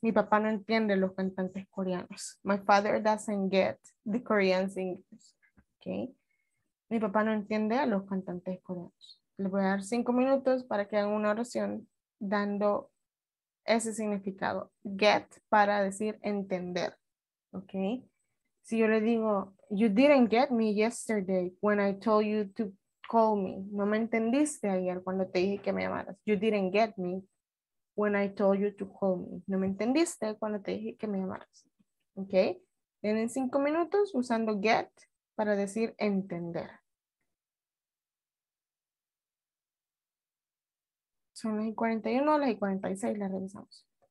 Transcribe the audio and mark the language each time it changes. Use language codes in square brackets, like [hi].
[es] Mi papá no entiende los cantantes coreanos. [en] My father doesn't get the Korean singers. [es] Okay. Mi papá no entiende a los cantantes coreanos. Les voy a dar 5 minutos para que hagan una oración dando ese significado. Get para decir entender. Ok. Si yo le digo, [en] you didn't get me yesterday when I told you to call me. [es] No me entendiste ayer cuando te dije que me llamaras. [en] You didn't get me when I told you to call me. [es] No me entendiste cuando te dije que me llamaras. Ok. Tienen 5 minutos usando get para decir entender. Son las 41 o las 46, las revisamos.